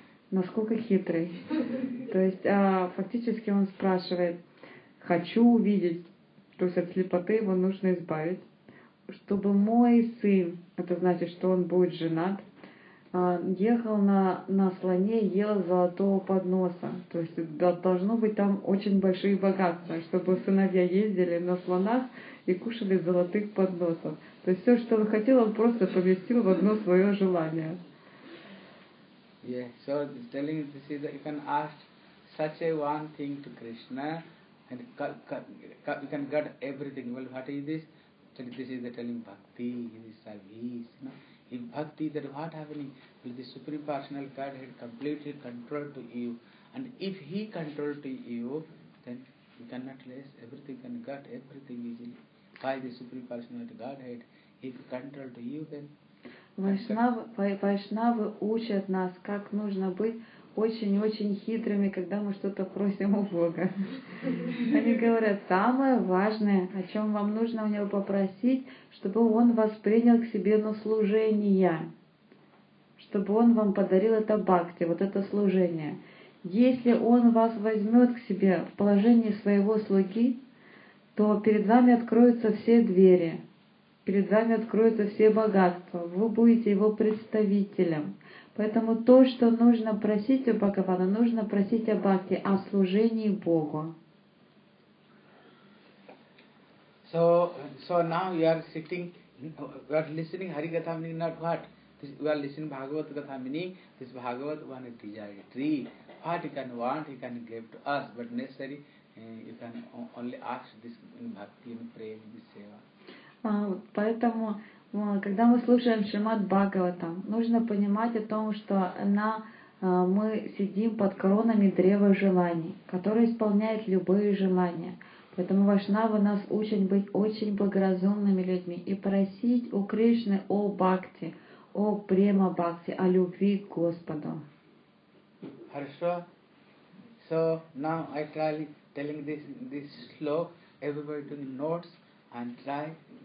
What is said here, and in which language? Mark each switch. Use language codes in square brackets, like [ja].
[ru] Насколько хитрый. То есть фактически он спрашивает, хочу увидеть, то есть от слепоты его нужно избавить, чтобы мой сын, это значит, что он будет женат, ехал на слоне и ел золотого подноса. То есть должно быть там очень большие богатства, чтобы сыновья ездили на слонах и кушали золотых подносов. То есть все, что он хотел, он просто поместил в одно свое желание. [en] Yeah, so telling this is that you can ask such a one thing to Krishna and you can get everything. Well, what is this? This is the telling bhakti, in the service, no? In bhakti, that what happening? Well, the Supreme Personal Godhead completely controlled to you. And if he controlled to you, then you cannot less everything, can get everything easily. By the Supreme Personal Godhead, if controlled, you can. [ru] Вайшнавы учат нас, как нужно быть очень-очень хитрыми, когда мы что-то просим у Бога. Они говорят, самое важное, о чем вам нужно у него попросить, чтобы он вас принял к себе на служение, чтобы он вам подарил это бхакти, вот это служение. Если он вас возьмет к себе в положении своего слуги, то перед вами откроются все двери, перед вами откроются все богатства, вы будете его представителем. Поэтому то, что нужно просить у Бхагавана, нужно просить о бхакти, о служении Богу. [en] So now you are sitting, you are listening Harikatha meaning not what? This, you are listening Bhagavata Katha meaning this Bhagavata one is desired tree. What you can want, you can give to us, but necessary you can only ask this in bhakti, in prayer, in this seva. [ru] Поэтому когда мы слушаем Шримад Бхагаватам, нужно понимать о том, что мы сидим под коронами древа желаний, которое исполняет любые желания. Поэтому вайшнавы нас учат быть очень благоразумными людьми и просить у Кришны о бхакти, о према бхакти, о любви к Господу. Хорошо. [en] So now I try telling this slok, everybody doing notes and try.